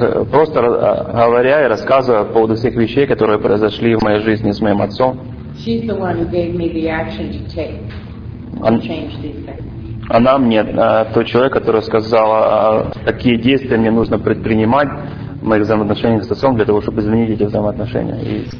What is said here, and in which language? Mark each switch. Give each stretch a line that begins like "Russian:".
Russian: Просто говоря и рассказывая по поводу всех вещей, которые произошли в моей жизни с моим отцом.
English: She's the one who gave me the action to take.
Russian: Она мне, тот человек, который сказал, какие действия мне нужно предпринимать в моих взаимоотношениях с отцом для того, чтобы изменить эти взаимоотношения и